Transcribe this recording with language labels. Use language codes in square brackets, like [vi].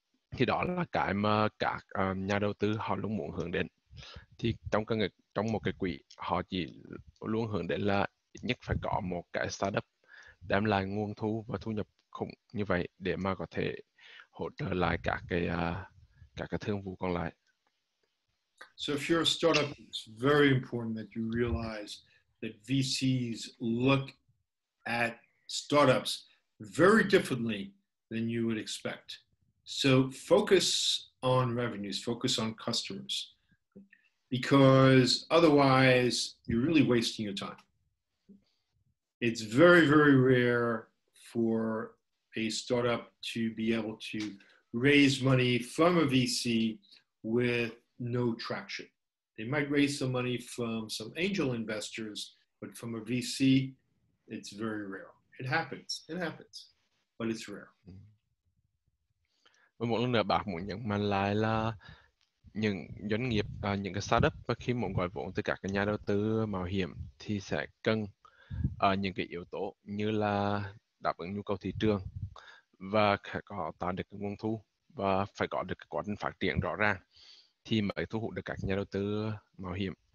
[vi] Thì đó là cái mà các nhà đầu tư họ luôn muốn hướng đến. Thì trong một cái quỹ họ chỉ luôn hướng đến là nhất phải có một cái startup đem lại nguồn thu và thu nhập khủng như vậy để mà có thể hỗ trợ lại các cái thương vụ còn lại. [en] So if you're a startup, it's very important that you realize that VCs look at startups very differently than you would expect. So focus on revenues, focus on customers, because otherwise you're really wasting your time. It's very, very rare for a startup to be able to raise money from a VC with no traction. They might raise some money from some angel investors, but from a VC, it's very rare. It happens, but it's rare. [vi] Và một lần nữa bạn muốn nhận mạnh lại là những doanh nghiệp, những cái startup và khi muốn gọi vốn từ các cái nhà đầu tư mạo hiểm thì sẽ cần những cái yếu tố như là đáp ứng nhu cầu thị trường và phải có tạo được cái nguồn thu và phải có được cái quá trình phát triển rõ ràng thì mới thu hút được các nhà đầu tư mạo hiểm.